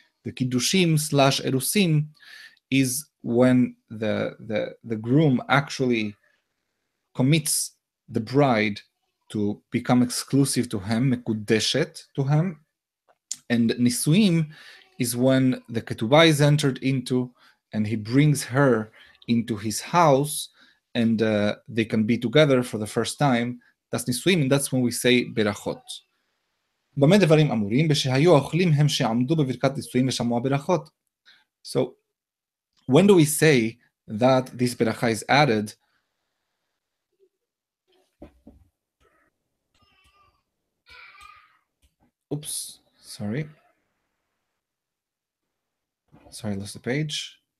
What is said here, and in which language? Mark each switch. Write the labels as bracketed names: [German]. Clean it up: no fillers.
[English] The kiddushim slash erusin is when the groom actually commits the bride to become exclusive to him, mekudeshet to him. And nisuim is when the ketubah is entered into and he brings her into his house and they can be together for the first time. That's nisuim, and that's when we say berachot. [Hebrew] במה דברים אמורים? בשהיו אוכלים הם שעמדו בברכת נישואים ושמעו ברכות. [English] So, when do we say that this beracha is added? Oops, sorry. Sorry, I lost the page.